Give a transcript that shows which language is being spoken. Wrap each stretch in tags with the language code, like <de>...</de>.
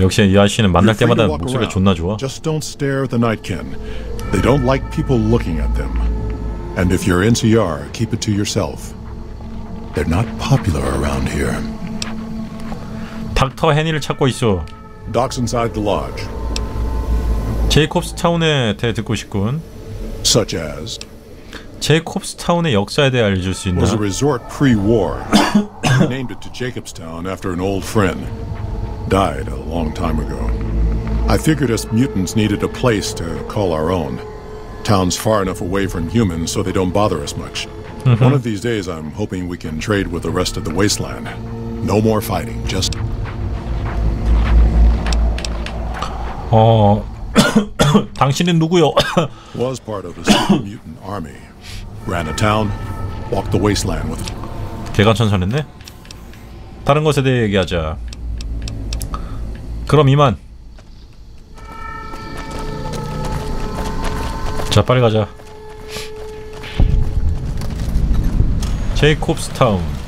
<ko>역시 이 아저씨는 만날 때마다 목소리가 존나 좋아.</ko> <en>Just don't stare at the Nightkin. They don't like people looking at them. And if you're NCR, keep it to yourself. They're not popular around here.</en> <ko>닥터 헨리를 찾고 있어.</ko> <en>Docks inside the lodge.</en> <ko>제이콥스 타운에 대해 듣고 싶군.</ko> <en>Such as</en> <ko>제이콥스 타운의 역사에 대해 알려줄 수 있나?</ko> <en>Was a resort pre-war. Named it to Jacob's Town after an old friend died a long time ago. I figured us mutants needed a place to call our own. Town's far enough away from humans so they don't bother us much. One of these days I'm hoping we can trade with the rest of the wasteland. No more fighting, just</en> <ko>당신은 누구요?</ko> <en>Was part of a super mutant army. Ran a town, walked the wasteland with it.</en> <ko>개가 천선했네. 다른 것에 대해 얘기하자. 그럼 이만. 자, 빨리 가자. 제이콥스 타운.</ko>